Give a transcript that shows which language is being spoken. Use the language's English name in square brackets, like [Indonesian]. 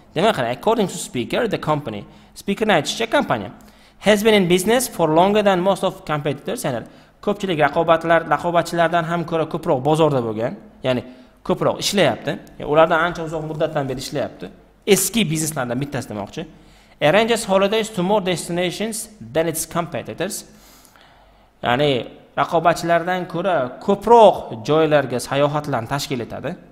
[Uzbek] Demak, [English] according to speaker, the company, speaker [Uzbek] aytishicha kompaniya [English] has been in business for longer than most of competitors. [Uzbek] Ya'ni ko'pchilik raqobatchilardan ham ko'ra ko'proq bozorda bo'lgan, ya'ni ko'proq ishlayapti. Ya'ni ulardan ancha uzoq muddatdan beri ishlayapti. Eski bizneslardan bittasi demoqchi. [English] Arranges holidays to more destinations than its competitors. [Uzbek] Ya'ni raqobatchilardan ko'ra ko'proq joylarga sayohatlarni tashkil etadi.